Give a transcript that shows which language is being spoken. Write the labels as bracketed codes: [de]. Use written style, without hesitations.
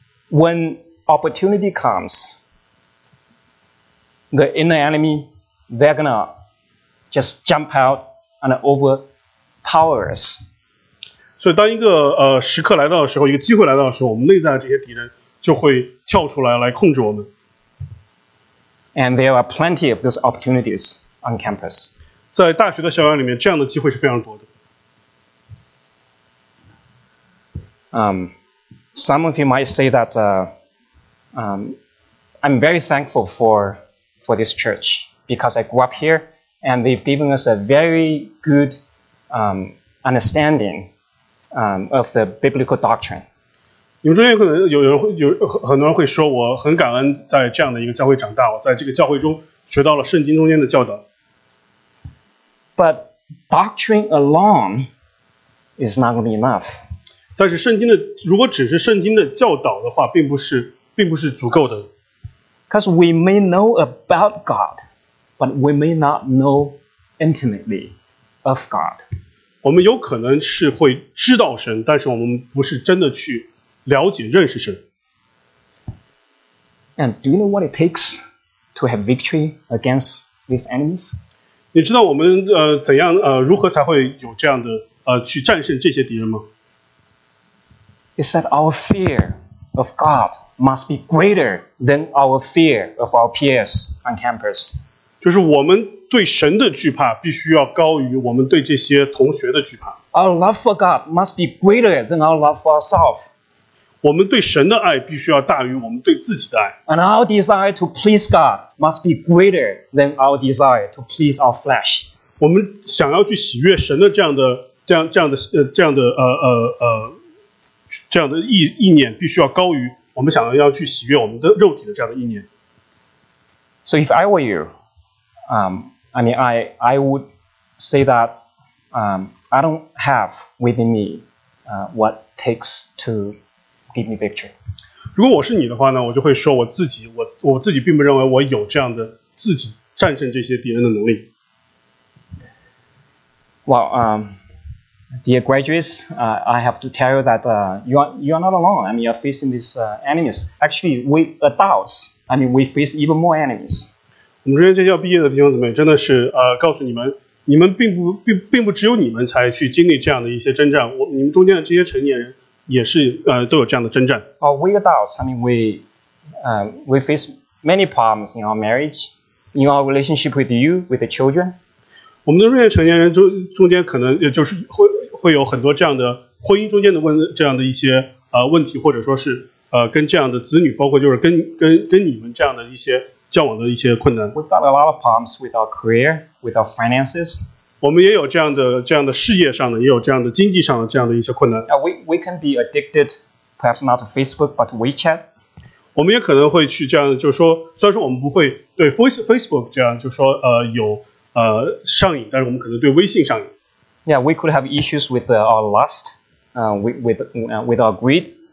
[en] When opportunity comes, the inner enemy, they're gonna just jump out and overpower us. [zh] 所以当一个时刻来到的时候，一个机会来到的时候，我们内在的这些敌人就会跳出来控制我们。 [en] And there are plenty of those opportunities on campus. [zh] 在大学的校园里面，这样的机会是非常多的。 [en] Some of you might say that I'm very thankful for this church because I grew up here and they've given us a very good understanding of the biblical doctrine. [zh] 你们中间可能有很多人会说我很感恩在这样的一个教会长大，我在这个教会中学到了圣经中间的教导。 [en] But doctrine alone is not going to be enough. [zh] 但是圣经的如果只是圣经的教导的话并不是足够的。 [en] Because we may know about God, but we may not know intimately of God. [zh] 我们有可能是会知道神，但是我们不是真的去了解认识神。 [en] And do you know what it takes to have victory against these enemies? [zh] 你知道我们怎样如何才会有这样的去战胜这些敌人吗？ [en] It's that our fear of God. Must be greater than our fear of our peers on campus. [zh] 就是我们对神的惧怕必须要高于我们对这些同学的惧怕。 [en] Our love for God must be greater than our love for ourselves. [zh] 我们对神的爱必须要大于我们对自己的爱。 [en] And our desire to please God must be greater than our desire to please our flesh. [zh] 我们想要去喜悦神的这样的意念必须要高于。我们想要去喜悦我们的肉体的这样的意念。 [en] So if I were you, I would say that I don't have within me what takes to give me victory. [zh] 如果我是你的话呢，我就会说我自己并不认为我有这样的自己战胜这些敌人的能力。 [en] Well, Dear graduates, I have to tell you that you are not alone. I mean, you're facing these enemies. Actually, we adults, I mean, we face even more enemies. [zh] 我们这些要毕业的弟兄姊妹，真的是告诉你们，你们并不只有你们才去经历这样的一些征战。你们中间的这些成年人也是都有这样的征战。 [en] We adults, I mean, we face many problems in our marriage, in our relationship with you, with the children. [zh] 我们的这些成年人中间可能也就是 会有很多这样的婚姻中间的这样的一些问题，或者说是跟这样的子女，包括就是跟你们这样的一些交往的一些困难。 [en] We've got a lot of problems with our career, with our finances. [zh] 我们也有这样的事业上的，也有这样的经济上的这样的一些困难。 [en] We can be addicted, perhaps not to Facebook, but WeChat. [zh] 我们也可能会去这样，就是说，虽然说我们不会对 Facebook 这样，就是说有。上瘾，但是我们可能对微信上瘾。 [en] Yeah, we could have issues with our lust, with our greed.